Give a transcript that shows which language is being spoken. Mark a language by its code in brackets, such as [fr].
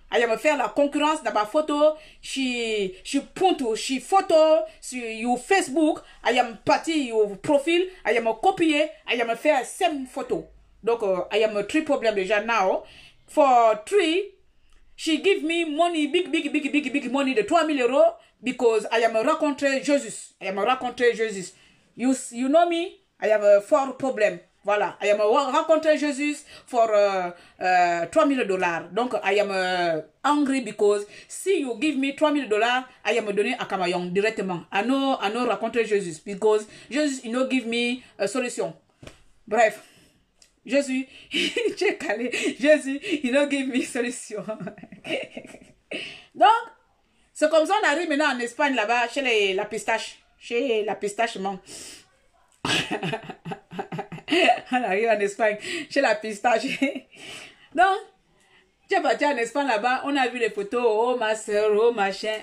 [en] I am [fr] faire la concurrence dans ma photo. [en] She point to she photo [fr] sur [en] your Facebook. I am party your profil. I am [fr] copier. [en] I am [fr] faire [en] same photo. [fr] Donc, [en] I am three problem [fr] déjà [en] now. For three, she give me money, big money de 3000 euros because I am [fr] rencontrer [en] Jesus. I am [fr] rencontrer [en] Jesus. You know me? I have a four problem. [fr] Voilà, [en] I am [fr] rencontré [en] Jésus for 3 000 $. [fr] Donc, [en] I am angry because [fr] si [en] you give me 3 000 $, I am [fr] donné à Kamayon directement. [en] I know [fr] rencontré [en] Jésus because Jésus, you know, give me a solution. [fr] Bref, Jésus, tu es calé. [en] Jésus, you know, give me solution. [fr] Donc, c'est comme ça on arrive maintenant en Espagne là-bas chez la pistache. Chez la pistache, [en] man. [fr] On arrive en Espagne, chez la pistache. Donc, tu es parti en Espagne là-bas, on a vu les photos, oh ma soeur, oh machin.